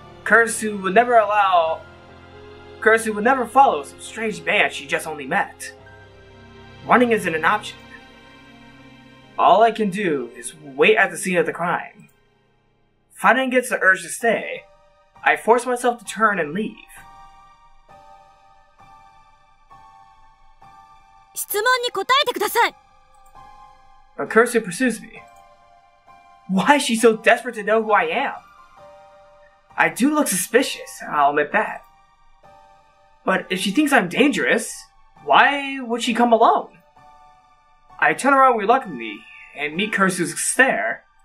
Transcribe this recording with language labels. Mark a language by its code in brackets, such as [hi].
[en] Kurisu would never follow some strange man she just only met. Running isn't an option. All I can do is wait at the scene of the crime. Fighting against the urge to stay,I forced myself to turn and leave. [ja] 質問に答えてください。 [en] A Kurisu pursues me. Why is she so desperate to know who I am? I do look suspicious, I'll admit that. But if she thinks I'm dangerous, why would she come alone? I turn around reluctantly and meet Kurisu's stare.